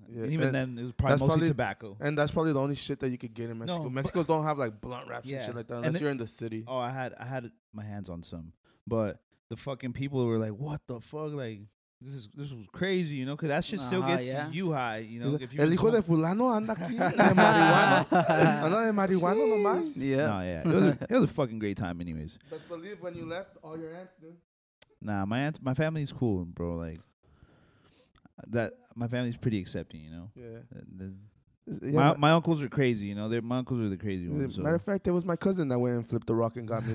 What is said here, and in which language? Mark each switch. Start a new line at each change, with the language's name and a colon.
English: Yeah, and even then, it was mostly tobacco. And that's probably the only shit that you could get in Mexico. No, Mexico don't have like blunt wraps and shit like that, unless you're in the city. Oh, I had my hands on some. But the fucking people were like, what the fuck? Like... This was crazy, you know, because that shit still gets you high, you know. If
Spanish: el hijo de fulano anda aquí de marihuana. Anda de marihuana nomás.
English: Yeah. No, yeah. It was a fucking great time anyways. Best believe when you left, all your aunts, dude. Nah, my family's cool, bro. Like, my family's pretty accepting, you know. Yeah. Yeah. My uncles are crazy, you know. My uncles are the crazy ones. So. Matter of fact, it was my cousin that went and flipped the rock and got me.